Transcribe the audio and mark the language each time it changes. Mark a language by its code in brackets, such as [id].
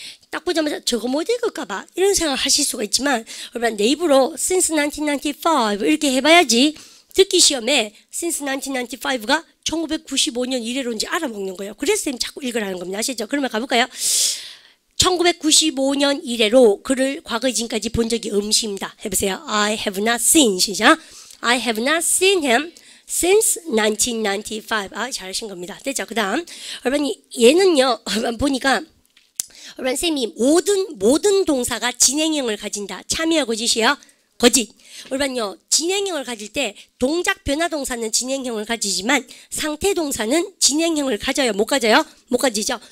[ko] 딱 보자마자 저거 못 읽을까봐 이런 생각 하실 수가 있지만 그러면 내 입으로 [en] since 1995 [ko] 이렇게 해봐야지 듣기 시험에 since 1995가 1995년 이래로인지 알아먹는 거예요. 그래서 쌤 자꾸 읽으라는 겁니다. 아시죠? 그러면 가볼까요? 1995년 이래로 그를 과거 지금까지 본 적이 없습니다. 해보세요. [en] I have not seen. [ko] 시작. [en] I have not seen him since 1995. [ko] 아, 잘하신 겁니다. 됐죠? 그 다음. 여러분, 얘는요. 여러분, 보니까 여러분, 쌤이 모든 동사가 진행형을 가진다. 참이야, 거짓이야? 거짓. 여러분요. 진행형을 가질 때 동작 변화 동사는 진행형을 가지지만 상태 동사는 진행형을 가져요. 못 가져요? 못 가지죠.